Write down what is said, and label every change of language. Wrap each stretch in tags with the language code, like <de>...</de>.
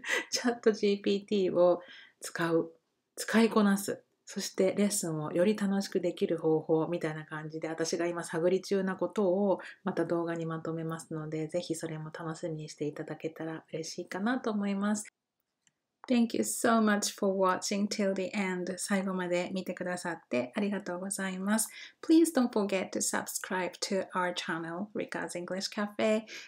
<ja>チャット GPT を使いこなす。そしてレッスンをより楽しくできる方法みたいな感じで、私が今探り中なことをまた動画にまとめますので、ぜひそれも楽しみにしていただけたら嬉しいかなと思います。</ja> <en>Thank you so much for watching till the end.</en> <ja>最後まで見てくださってありがとうございます。</ja> <en>Please don't forget to subscribe to our channel, Rika's English Cafe.</en>